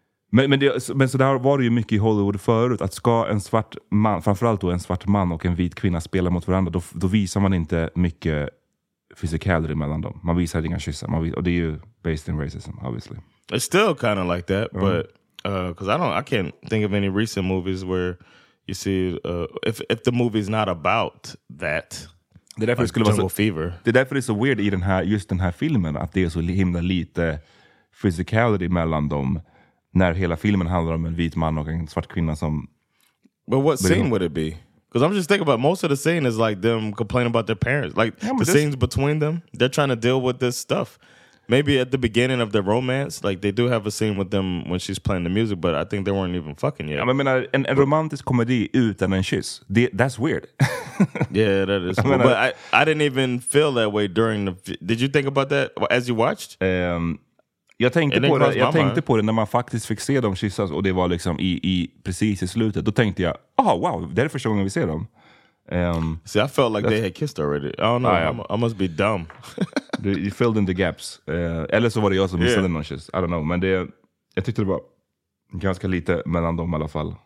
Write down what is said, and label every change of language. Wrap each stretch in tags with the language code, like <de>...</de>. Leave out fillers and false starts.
<sv>Men sådär var det ju mycket i Hollywood förut, att ska en svart man, framförallt då en svart man och en vit kvinna spela mot varandra, då visar man inte mycket physicality mellan dem. Man visar inga kyssar. Och det är ju</sv> <en>based in racism, obviously. It's still kind of like that, but because I can't think of any recent movies where you see if the movie's not about that.</en> <sv>Det är därför like det</sv> <en>Jungle Fever.</en> <sv>Det är därför det är så weird i den här filmen att det är så himla lite physicality mellan dem när hela filmen handlar om en vit man och en svart kvinna som.</sv> <en>But what scene would it be? Because I'm just thinking about most of the scene is like them complaining about their parents. Like the scenes between them, they're trying to deal with this stuff. Maybe at the beginning of the romance, like they do have a scene with them when she's playing the music, but I think they weren't even fucking yet. I mean, a romantic comedy</en> <sv>utan en kyss.</sv> <en>That's weird. Yeah, that is cool. But I didn't even feel that way during the... Did you think about that as you watched?</en> <sv>Jag tänkte på det när man faktiskt fick se dem kyssas och det var liksom precis i slutet. Då tänkte jag, wow, det är första gången vi ser dem.</sv> <en>See, I felt like they had kissed already. I don't know, I must be dumb. You filled in the gaps.</en> <sv>Eller så var det jag som missade någon kyss.</sv> <en>I don't know,</en> <sv>men jag tyckte det var ganska lite mellan dem i alla fall.</sv>